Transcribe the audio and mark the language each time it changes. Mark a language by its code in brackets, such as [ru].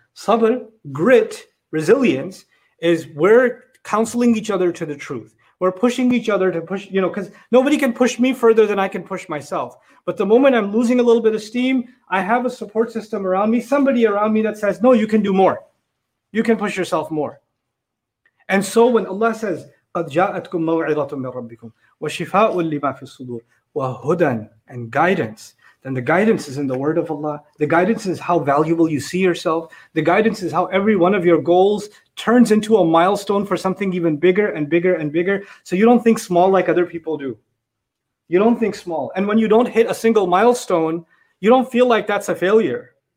[en] Sabr, grit, resilience, is we're counseling each other to the truth. We're pushing each other to push, you know, because nobody can push me further than I can push myself. But the moment I'm losing a little bit of steam, I have a support system around me, somebody around me that says, no, you can do more. You can push yourself more. And so when Allah says, [ar] قَدْ جَاءَتْكُمْ مَوْعِظَةٌ مِّنْ رَبِّكُمْ وَشِفَاءٌ لِمَا فِي الصُّدُورِ وَهُدًى [en] and guidance. Then the guidance is in the word of Allah. The guidance is how valuable you see yourself. The guidance is how every one of your goals turns into a milestone for something even bigger and bigger and bigger. So you don't think small like other people do. You don't think small. And when you don't hit a single milestone, you don't feel like that's a failure.